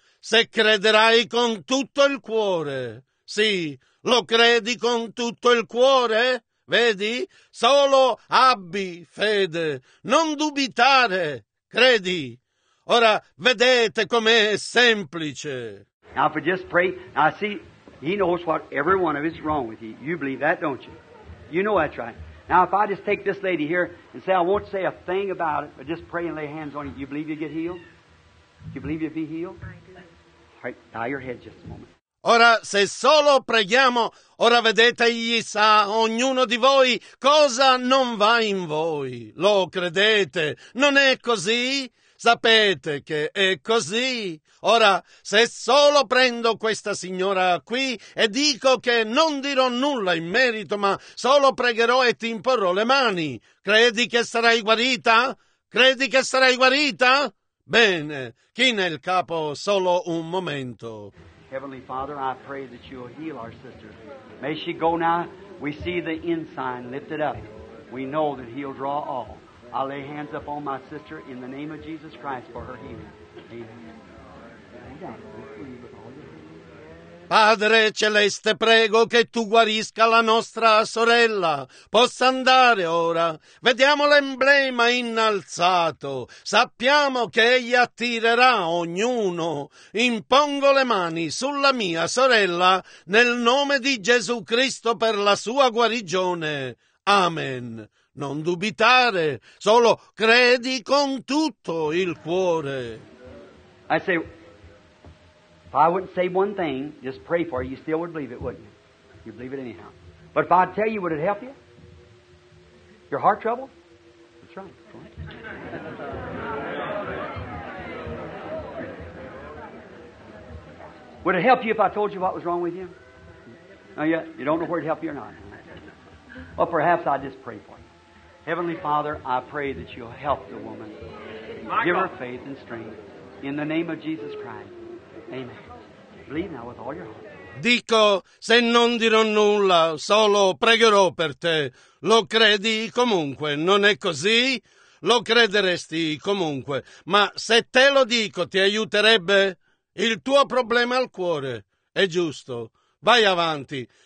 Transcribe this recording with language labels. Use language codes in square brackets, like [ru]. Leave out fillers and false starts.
[it] Se crederai con tutto il cuore. Sì, lo credi con tutto il cuore? Vedi? Solo abbi fede. Non dubitare. Credi. Ora vedete com'è semplice. [en] Now if we just pray, now see, he knows what every one of us is wrong with you. You believe that, don't you? You know that's right. Now if I just take this lady here and say I won't say a thing about it, but just pray and lay hands on you, you believe you get healed? You believe you'll be healed? All right, bow your head just a moment. [it] Ora, se solo preghiamo, ora vedete, egli sa, ognuno di voi, cosa non va in voi. Lo credete? Non è così? Sapete che è così? Ora, se solo prendo questa signora qui e dico che non dirò nulla in merito, ma solo pregherò e ti imporrò le mani, credi che sarai guarita? Credi che sarai guarita? Bene, china il capo solo un momento. [en] Heavenly Father, I pray that you'll heal our sister. May she go now. We see the ensign lifted up. We know that he'll draw all. I lay hands up on my sister in the name of Jesus Christ for her healing. Amen. [it] Padre Celeste, prego che tu guarisca la nostra sorella. Possa andare ora. Vediamo l'emblema innalzato. Sappiamo che egli attirerà ognuno. Impongo le mani sulla mia sorella nel nome di Gesù Cristo per la sua guarigione. Amen. Non dubitare, solo credi con tutto il cuore. [en] I say, if I wouldn't say one thing, just pray for it, you still would believe it, wouldn't you? You believe it anyhow. But if I tell you, would it help you? Your heart trouble? That's right. That's right. Would it help you if I told you what was wrong with you? No, yet you don't know where it help you or not. Well, perhaps I just pray for you. Heavenly Father, I pray that you'll help the woman. Michael. Give her faith and strength. In the name of Jesus Christ. Amen. Believe now with all your heart. [it] Dico, se non dirò nulla, solo pregherò per te. Lo credi comunque, non è così? Lo crederesti comunque. Ma se te lo dico, ti aiuterebbe? Il tuo problema al cuore è giusto. Vai avanti.